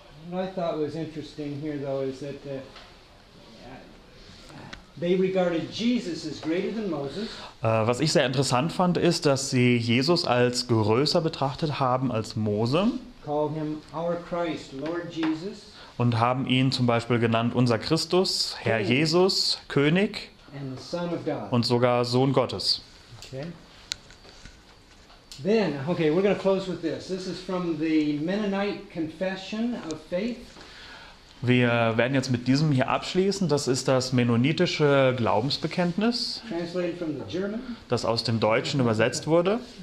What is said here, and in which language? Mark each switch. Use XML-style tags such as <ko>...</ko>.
<en>What I thought was interesting here though is that they regarded Jesus as greater than Moses.</en> <de>Was ich sehr interessant fand, ist, dass sie Jesus als größer betrachtet haben als Mose.</de> <en>Call him our Christ, Lord Jesus.</en> <de>Und haben ihn zum Beispiel genannt, unser Christus, Herr King. Jesus, König</de> <en>and the Son of God.</en> <de>Und sogar Sohn Gottes.</de> <en>Okay. Then, okay, we're going to close with this. This is from the Mennonite Confession of Faith.</en> <de>Wir werden jetzt mit diesem hier abschließen. Das ist das mennonitische Glaubensbekenntnis, das aus dem Deutschen übersetzt wurde.</de>